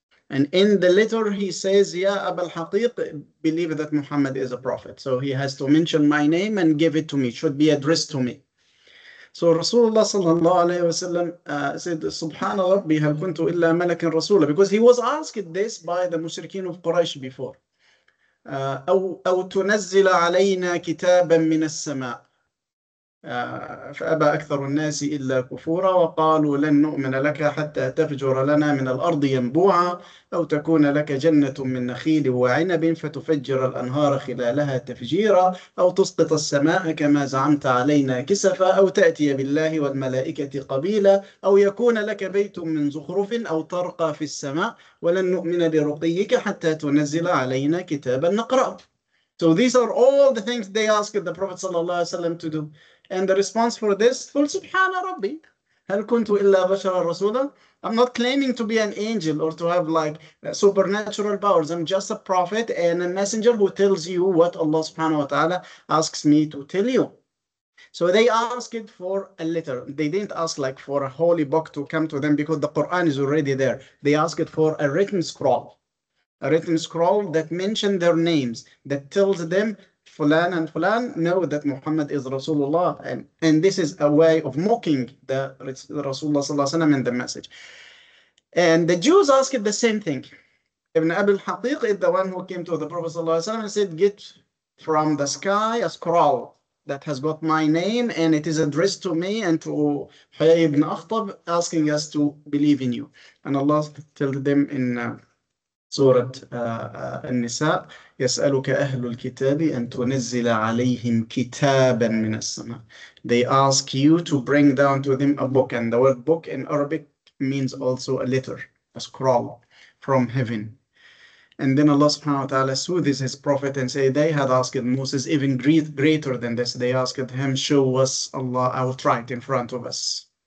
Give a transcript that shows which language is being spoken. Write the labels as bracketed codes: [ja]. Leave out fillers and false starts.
[en] And in the letter, he says, Ya Abu al-Haqiq, believe that Muhammad is a prophet. So he has to mention my name and give it to me, should be addressed to me. So Rasulullah sallallahu alayhi wa sallam said, [ar] Subhana Rabbi, hal kuntu illa malakin rasula. [en] Because he was asked this by the mushrikeen of Quraysh before. [ar] أو تنزل علينا كتابا من السماء. فأبى أكثر الناس إلا كفورا وقالوا لن نؤمن لك حتى تفجر لنا من الأرض ينبوعا أو تكون لك جنة من نخيل وعنب فتفجر الأنهار خلالها تفجيرا أو تسقط السماء كما زعمت علينا كسفا أو تأتي بالله والملائكة قبيلا أو يكون لك بيت من زخرف أو ترقى في السماء ولن نؤمن لرقيك حتى تنزل علينا كتابا نقرأه. [en] So these are all the things they asked the Prophet sallallahu alaihi wasallam to do. And the response for this, [ar] full subhana rabbi, hal kuntu illa bashara rasula. [en] I'm not claiming to be an angel or to have like supernatural powers. I'm just a prophet and a messenger who tells you what Allah subhanahu wa ta'ala asks me to tell you. So they asked for a letter. They didn't ask like for a holy book to come to them because the Quran is already there. They asked for a written scroll. A written scroll that mentioned their names, that tells them Fulan and Fulan know that Muhammad is Rasulullah, and this is a way of mocking the Rasulullah sallallahu alaihi wasallam and the message. And the Jews asked the same thing. Ibn Abi al-Haqiq is the one who came to the Prophet sallallahu alaihi wasallam and said, get from the sky a scroll that has got my name and it is addressed to me and to Huyay ibn Akhtab, asking us to believe in you. And Allah told them in [ar] سورة النساء يسألك أهل الكتاب أن تنزل عليهم كتابا من السماء. [en] They ask you to bring down to them a book, and the word book in Arabic means also a letter, a scroll from heaven. And then Allah subhanahu wa ta'ala soothes his prophet and say they had asked Moses even greater than this. They asked him, show us Allah outright in front of us.